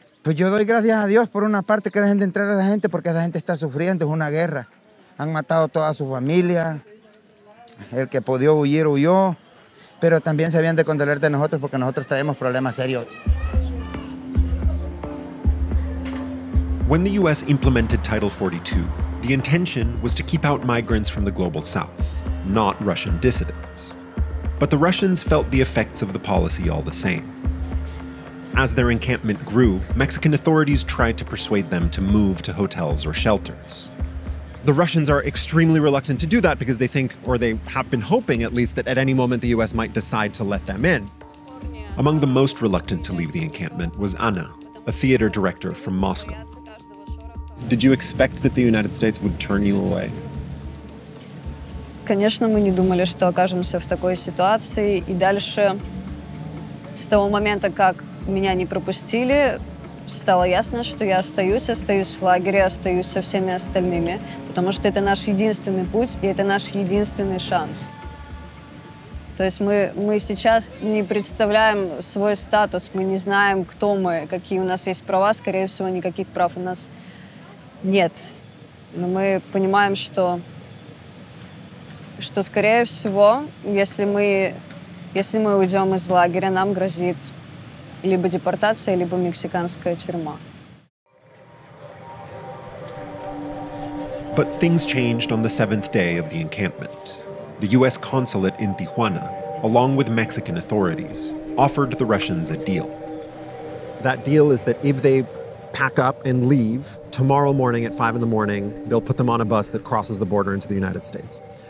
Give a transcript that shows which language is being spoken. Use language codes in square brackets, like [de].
[es] Pues yo doy gracias a Dios, por una parte, que dejen de entrar a la gente, porque esa gente está sufriendo, es una guerra. Han matado toda su familia, el que pudo huir, huyó. Pero también se habían de condoler de nosotros, porque nosotros traemos problemas serios. [en] When the U.S. implemented Title 42, the intention was to keep out migrants from the global south, not Russian dissidents. But the Russians felt the effects of the policy all the same. As their encampment grew, Mexican authorities tried to persuade them to move to hotels or shelters. The Russians are extremely reluctant to do that because they think, or they have been hoping at least, that at any moment the U.S. might decide to let them in. Among the most reluctant to leave the encampment was Anna, a theater director from Moscow. Did you expect that the United States would turn you away? [ru] Конечно, мы не думали, что окажемся в такой ситуации. И дальше, с того момента, как меня не пропустили, стало ясно, что я остаюсь, остаюсь в лагере, остаюсь со всеми остальными, потому что это наш единственный путь и это наш единственный шанс. То есть мы сейчас не представляем свой статус, мы не знаем, кто мы, какие у нас есть права, скорее всего, никаких прав у нас нет. Но мы понимаем, что скорее всего, если мы уйдем из лагеря, нам грозит либо депортация, либо мексиканская тюрьма. [en] But things changed on the seventh day of the encampment. The U.S. consulate in Tijuana, along with Mexican authorities, offered the Russians a deal. That deal is that if they pack up and leave tomorrow morning at 5 a.m, they'll put them on a bus that crosses the border into the United States.